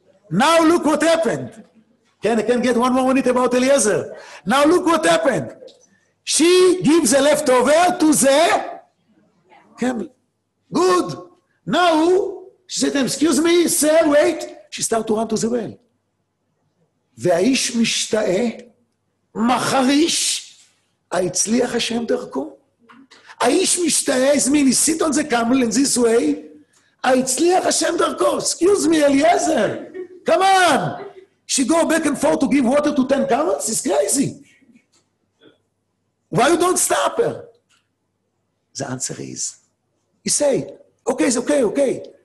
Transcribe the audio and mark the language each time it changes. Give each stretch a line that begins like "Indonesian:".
English: Now look what happened. Can I get one more minute about Eliezer? Now look what happened. She gives a leftover to the camel. Good. Now she said, excuse me, sir, wait. She start to run to the well.
Hebrew: והאיש משתאה, מחריש, הצליח השם דרכו. האיש משתאה, הזמין,
English: he sit on the camel in this way,
Hebrew: הצליח השם דרכו.
English: Excuse me, Eliezer, come on. She go back and forth to give water to 10 camels? It's crazy. Why you don't stop her? The answer is, he say, okay, it's okay, okay.